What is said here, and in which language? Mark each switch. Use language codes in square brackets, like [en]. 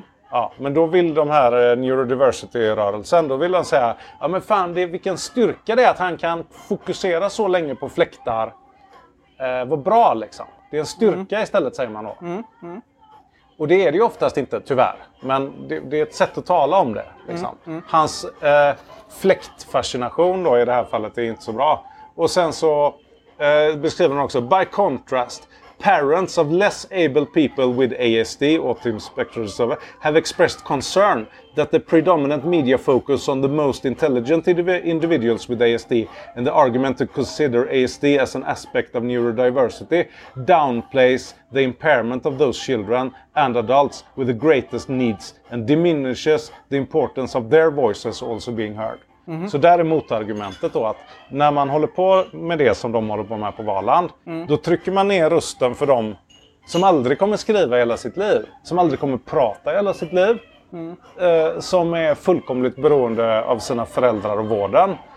[sv] Ja, men då vill de här neurodiversity-rörelsen, då vill de säga, ja, men fan, vilken styrka det är att han kan fokusera så länge på fläktar. Vad bra liksom. Det är en styrka istället, säger man då. Och det är det ju oftast inte, tyvärr. Men det är ett sätt att tala om det. Liksom. Hans fläktfascination då i det här fallet är inte så bra. Och sen så beskriver han också, [en] by contrast, parents of less able people with ASD, autism spectrum disorder, have expressed concern that the predominant media focus on the most intelligent individuals with ASD and the argument to consider ASD as an aspect of neurodiversity downplays the impairment of those children and adults with the greatest needs and diminishes the importance of their voices also being heard. Mm-hmm. [sv] Så där är motargumentet då, att när man håller på med det som de håller på med på Valand, då trycker man ner rösten för dem som aldrig kommer skriva hela sitt liv, som aldrig kommer prata hela sitt liv, som är fullkomligt beroende av sina föräldrar och vården.